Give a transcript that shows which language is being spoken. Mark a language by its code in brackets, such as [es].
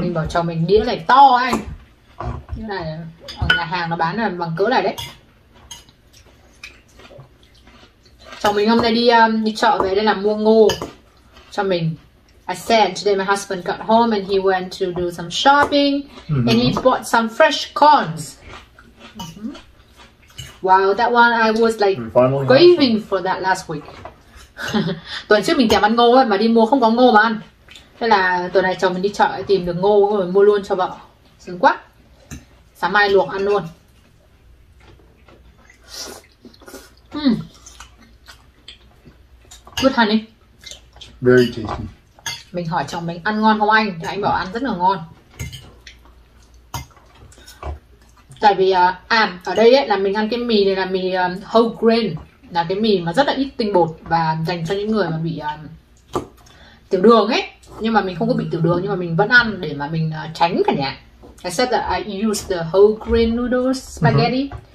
[vi] Mình bảo chồng mình đĩa này to anh. Như này ở nhà hàng nó bán là bằng cỡ này đấy. Chồng mình hôm nay đi đi chợ về đây là mua ngô. Cho mình. [en] I said today my husband got home and he went to do some shopping and he bought some fresh corns. Wow, that one I was like craving for that last week. [vi] Tuần trước mình thèm ăn ngô ấy, mà đi mua không có ngô mà ăn. Thế là tuần này chồng mình đi chợ tìm được ngô rồi mua luôn cho vợ. Sướng quá. Sáng mai luộc ăn luôn. [en] Good honey. Very tasty. [vi] Mình hỏi chồng mình ăn ngon không anh? Thì anh bảo ăn rất là ngon. Tại vì ở đây ấy, là mình ăn cái mì này là mì whole grain. Là cái mì mà rất là ít tinh bột và dành cho những người mà bị tiểu đường ấy. Nhưng mà mình không có bị tiểu đường nhưng mà mình vẫn ăn để mà mình tránh cả nhà. [en] I said that I use the whole grain noodles spaghetti.